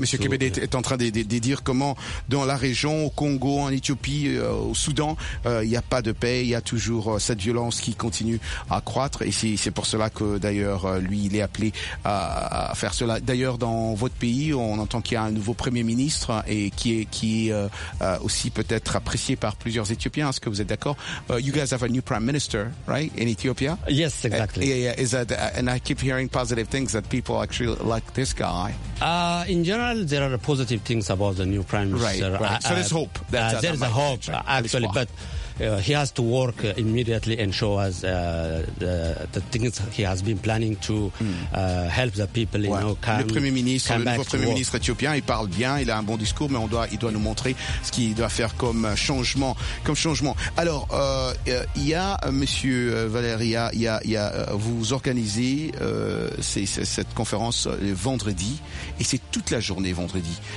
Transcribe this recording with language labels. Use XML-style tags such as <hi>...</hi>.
<fr>Monsieur Kibede est en train de dire comment dans la région, au Congo, en Éthiopie, au Soudan, il n'y a pas de paix. Il y a toujours cette violence qui continue à croître. Et c'est pour cela que d'ailleurs lui, il est appelé à faire cela. D'ailleurs, dans votre pays, on entend qu'il y a un nouveau premier ministre et qui est aussi peut-être apprécié par plusieurs Éthiopiens. Est-ce que vous êtes d'accord?</fr> <en>You guys have a new prime minister, right? In Ethiopia? Yes, exactly. And I keep hearing positive things that people actually like this guy. In general, there are positive things about the new prime minister. Right, right. So there's hope. There's a hope, actually, but he has to work immediately and show us the things he has been planning to help the people. You know, come,</en> <fr>le premier ministre, le nouveau premier ministre éthiopien, il parle bien, il a un bon discours, mais il doit nous montrer ce qu'il doit faire comme changement. Alors, il y a Monsieur Valéria, vous organisez cette conférence vendredi, et c'est toute la journée vendredi.</fr>